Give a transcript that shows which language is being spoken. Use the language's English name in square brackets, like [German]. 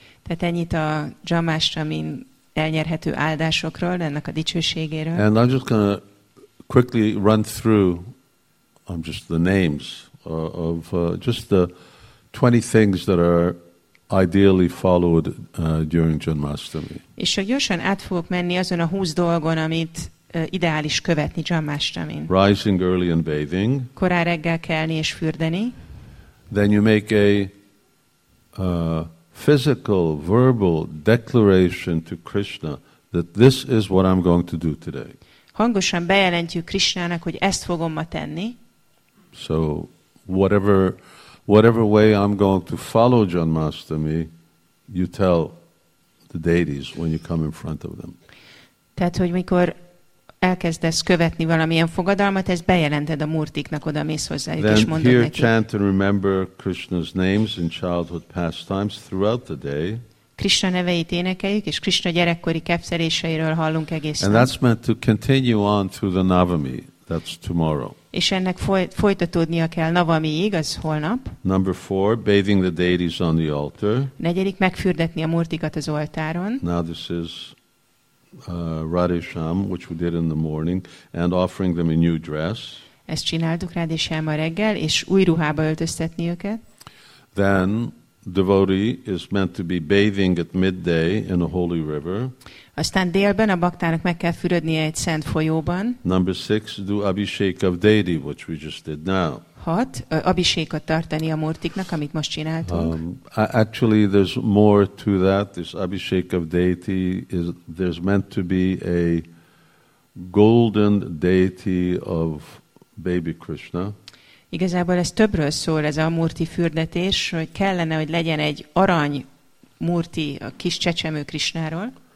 [Hungarian] Tehát ennyit a Janmashtamin elnyerhető áldásokról, ennek a dicsőségéről. [English] And I'm just gonna quickly run through just the names of just the 20 things that are ideally followed during Janmashtami. [Hungarian] És csak gyorsan át fogok menni azon a 20 dolgon, amit ideális követni Janmashtamin. [English] Rising early and bathing. [Hungarian] Korán reggel kelni és fürdeni. [English] Then you make a physical, verbal declaration to Krishna that this is what I'm going to do today. [Hungarian] Hangosan bejelentjük Krishnának, hogy ezt fogom ma tenni. [English] So whatever way I'm going to follow Janmashtami, you tell the deities when you come in front of them. [Hungarian] Tehát, hogy mikor elkezdesz követni valamilyen fogadalmat, ezt bejelented a murtiknak, oda mész hozzájuk, [English] then [Hungarian] és mondod neki. [English] Then hear, chant and remember Krishna's names in childhood pastimes throughout the day. [Hungarian] Krishna neveit énekeljük, és Krishna gyerekkori kefszeléseiről hallunk egész nap. [English] And that's meant to continue on through the Navami. That's tomorrow. [Hungarian] És ennek folytatódnia kell Navamiig, az holnap. [English] Number four, bathing the deities on the altar. [Hungarian] Negyedik, megfürdetni a murtikat az oltáron. [English] Now this is Radhesham, which we did in the morning, and offering them a new dress. [Hungarian] Ezt csináltuk Radhesham a reggel, és új ruhába öltöztetni őket. [English] Then devotee is meant to be bathing at midday in a holy river. [Hungarian] Aztán délben a baktának meg kell fürödnie egy szent folyóban. [English] Number six, do abhishek of deity, which we just did now. [Hungarian] hat abhishékot tartani a murtiknak, amit most csináltunk. [English] Actually, there's more to that. This abhishek of deity is there's meant to be a golden deity of baby Krishna. [Hungarian] Igazából ez többről szól, ez a murti fürdetés, hogy kellene, hogy legyen egy arany murti a kis csecsemő Krishnáról.